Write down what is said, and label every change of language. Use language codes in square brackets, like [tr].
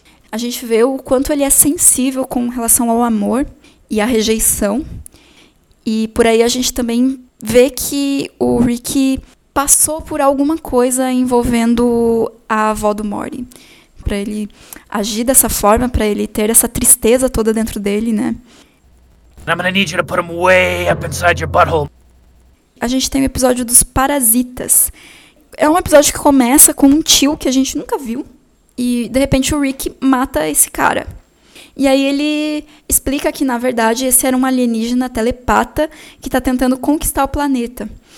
[pt] A gente vê o quanto ele é sensível com relação ao amor e à rejeição. E por aí a gente também vê que o Rick passou por alguma coisa envolvendo a avó do Morty. Para ele agir dessa forma, para ele ter essa tristeza toda dentro dele, né? [en] I'm gonna need you to put him way up inside your butthole. [pt] A gente tem o episódio dos parasitas. É um episódio que começa com um tio que a gente nunca viu. E, de repente, o Rick mata esse cara. E aí ele explica que, na verdade, esse era um alienígena telepata que está tentando conquistar o planeta.